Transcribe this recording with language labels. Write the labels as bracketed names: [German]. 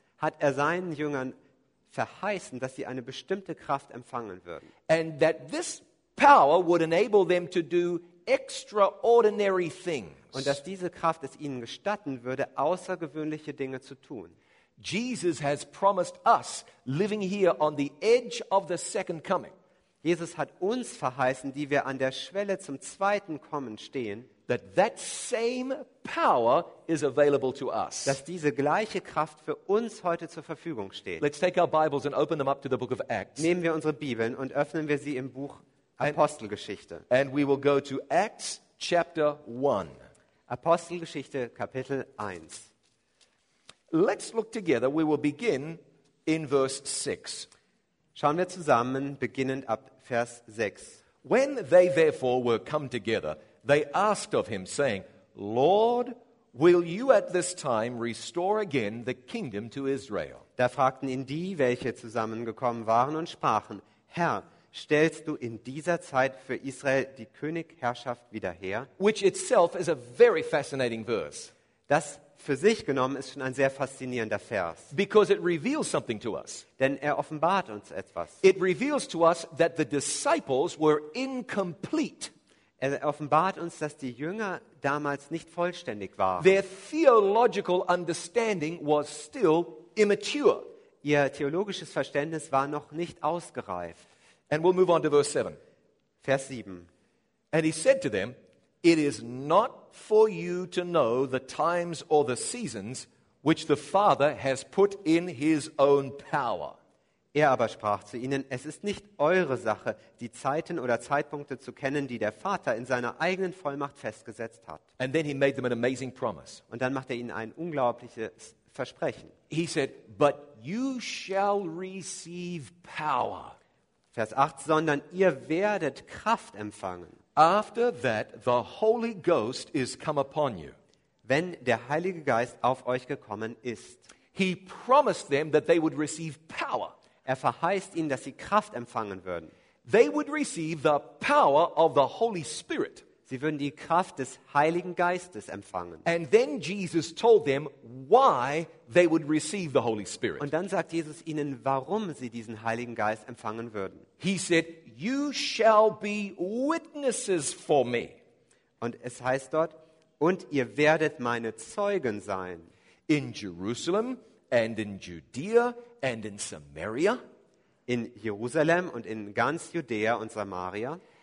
[German] Hat er seinen Jüngern verheißen, dass sie eine bestimmte Kraft empfangen würden. [English] And that this power would enable them to do extraordinary things. [German] Und dass diese Kraft es ihnen gestatten würde, außergewöhnliche Dinge zu tun. [English] Jesus has promised us living here on the edge of the second coming. [German] Jesus hat uns verheißen, die wir an der Schwelle zum zweiten Kommen stehen, [English] that that same power is available to us. [German] Dass diese gleiche Kraft für uns heute zur Verfügung steht. [English] Let's take our Bibles and open them up to the book of Acts. [German] Nehmen wir unsere Bibeln und öffnen wir sie im Buch Apostelgeschichte. [English] And we will go to Acts chapter 1. [German] Apostelgeschichte Kapitel 1. [English] Let's look together. We will begin in verse 6. [German] Schauen wir zusammen, beginnend ab Vers 6. [English] When they therefore were come together, they asked of him, saying, Lord, will you at this time restore again the kingdom to Israel? [German] Da fragten ihn die, welche zusammengekommen waren, und sprachen, Herr, stellst du in dieser Zeit für Israel die Königherrschaft wieder her? [English] Which itself is a very fascinating verse. [German] Das für sich genommen ist schon ein sehr faszinierender Vers. [English] Because it reveals something to us. [German] Denn er offenbart uns etwas. [English] It reveals to us that the disciples were incomplete. [German] Er offenbart uns, dass die Jünger damals nicht vollständig waren. [English] Their theological understanding was still immature. [German] Ihr theologisches Verständnis war noch nicht ausgereift. [English] And we'll move on to verse 7. [German] Vers 7. [English] And he said to them, It is not for you to know the times or the seasons which the Father has put in his own power. [German] Er aber sprach zu ihnen, es ist nicht eure Sache, die Zeiten oder Zeitpunkte zu kennen, die der Vater in seiner eigenen Vollmacht festgesetzt hat. [English] And then he made them an amazing promise. [German] Und dann macht er ihnen ein unglaubliches Versprechen. [English] He said, but you shall receive power. [German] Vers 8, sondern ihr werdet Kraft empfangen. [English] After that the Holy Ghost is come upon you. [German] Wenn der Heilige Geist auf euch gekommen ist. [English] He promised them that they would receive power. [German] Er verheißt ihnen, dass sie Kraft empfangen würden. [English] They would receive the power of the Holy Spirit. [German] Sie würden die Kraft des Heiligen Geistes empfangen. [English] And then Jesus told them why they would receive the Holy Spirit. [German] Und dann sagt Jesus ihnen, warum sie diesen Heiligen Geist empfangen würden. [English] He said, "You shall be witnesses for me." [German] Und es heißt dort, und ihr werdet meine Zeugen sein. [English] In Jerusalem and in Judea and in Samaria, [German] in Jerusalem und in ganz Judäa und Samaria,